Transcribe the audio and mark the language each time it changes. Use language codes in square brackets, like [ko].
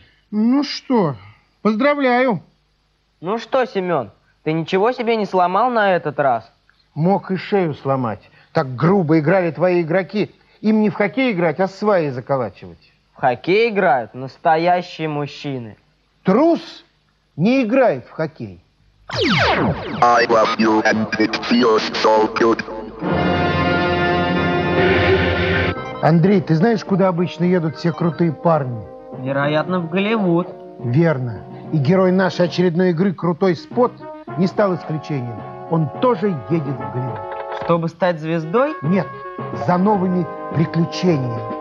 [ru] Ну что, поздравляю. Ну что, Семен, ты ничего себе не сломал на этот раз? Мог и шею сломать. Так грубо играли твои игроки. Им не в хоккей играть, а сваи заколачивать. В хоккей играют настоящие мужчины. Трус не играет в хоккей. [en] I love you and it feels so good. [ru] Андрей, ты знаешь, куда обычно едут все крутые парни? Вероятно, в Голливуд. Верно. И герой нашей очередной игры, крутой Спот, не стал исключением. Он тоже едет в Голливуд. Чтобы стать звездой? Нет, за новыми приключениями.